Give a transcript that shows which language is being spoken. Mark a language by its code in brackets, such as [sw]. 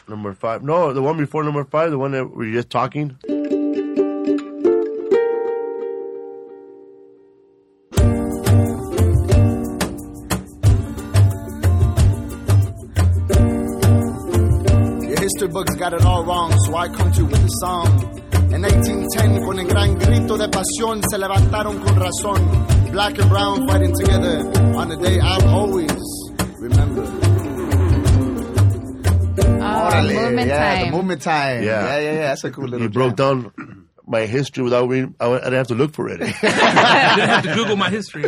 [en] No, the one before number five, the one that we're just talking. Your history books got it all wrong, so I come to you with a song. [es] In 1810, con el gran grito de pasión, se levantaron con razón. [en] Black and brown fighting together on a day I'll always remember. Orale. Movement yeah, time. The movement time. Yeah. Yeah, yeah, yeah. That's a cool little thing. He broke down my history without me. I didn't have to look for it. I didn't have to Google my history.